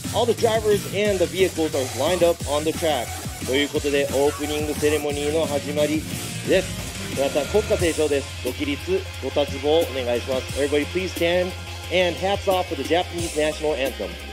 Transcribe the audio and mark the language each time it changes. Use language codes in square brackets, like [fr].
[en] All the drivers and the vehicles are lined up on the track. [ja] ということで、オープニングセレモニーの始まりです。皆さん、国歌斉唱です。ご起立、ご立ちをお願いします。 [en] Everybody please stand and hats off for the Japanese national anthem.